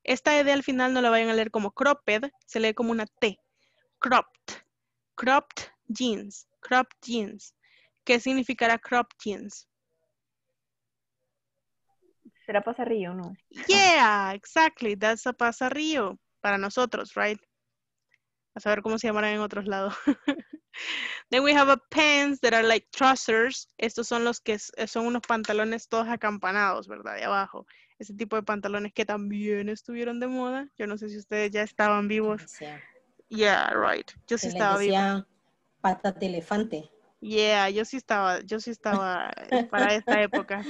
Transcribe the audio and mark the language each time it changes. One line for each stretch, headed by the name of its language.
Spanish: Esta E al final no la vayan a leer como cropped. Se lee como una T. Cropped jeans, crop jeans. ¿Qué significará crop jeans? ¿Será pasarrío, no?
English: Yeah, exactly. That's a pasarrío para nosotros, right?
Spanish: A saber cómo se llamarán en otros lados.
English: Then we have a pants that are like trousers.
Spanish: Estos son los que son unos pantalones todos acampanados, ¿verdad? De abajo. Ese tipo de pantalones que también estuvieron de moda. Yo no sé si ustedes ya estaban vivos. Yeah, right. Yo sí estaba vivo. Pata de elefante. Yeah, yo sí estaba para esta época.